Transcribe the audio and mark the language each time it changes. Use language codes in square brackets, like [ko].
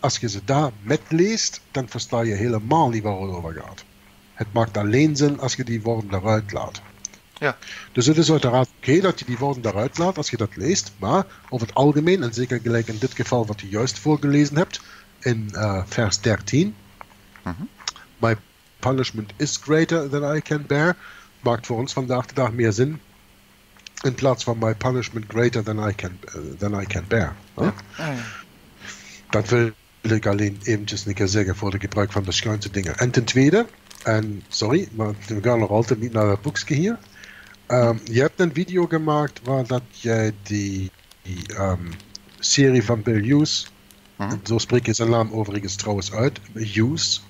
[nl] Als je ze daar met leest, dan versta je helemaal niet waar het over gaat. Het maakt alleen zin als je die woorden eruit laat. Ja. Dus het is uiteraard oké dat je die woorden eruit laat als je dat leest. Maar over het algemeen, en zeker gelijk in dit geval wat je juist voorgelezen hebt, in vers 13. Mm-hmm. [en] My punishment is greater than I can bear. [nl] Maakt voor ons vandaag de dag meer zin in plaats van [en] my punishment greater than I can bear. [nl] Ja? Dat wil ik alleen eventjes een keer zeggen voor de gebruik van de schuinste dingen. En ten tweede, En sorry, maar we gaan nog altijd niet naar het boekje hier. Je hebt een video gemaakt waar dat jij die serie van Bill Hughes, zo spreek je zijn naam overigens trouwens uit, Hughes.